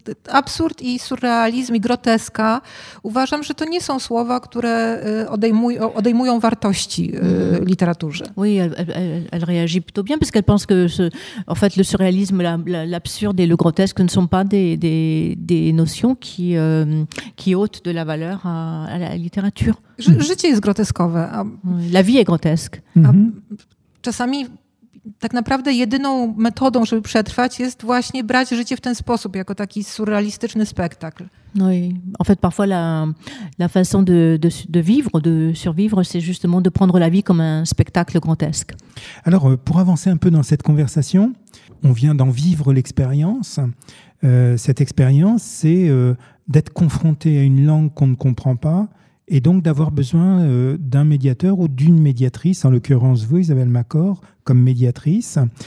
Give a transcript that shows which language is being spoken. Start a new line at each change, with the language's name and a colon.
Polish: absurd i surrealizm i groteska, uważam, że to nie są słowa, które odejmują wartości literaturze.
French: Oui, elle réagit plutôt bien, parce qu'elle pense que en fait, le surréalisme, l'absurde et le grotesque ne sont pas des notions qui ôtent de la valeur à la littérature.
Polish: Życie jest groteskowe.
French: La vie est grotesque.
Polish: Czasami tak naprawdę jedyną metodą, żeby przetrwać, jest właśnie brać życie w ten sposób, jako taki surrealistyczny spektakl. No i
French: en fait parfois la façon de vivre, de survivre, c'est justement de prendre la vie comme un spectacle grotesque. Alors, pour avancer un peu dans cette conversation, on vient d'en vivre l'expérience. Cette expérience, c'est d'être confronté à une langue qu'on ne comprend pas, et donc d'avoir besoin d'un médiateur ou d'une médiatrice, en l'occurrence vous, Isabelle Macor, comme médiatrice.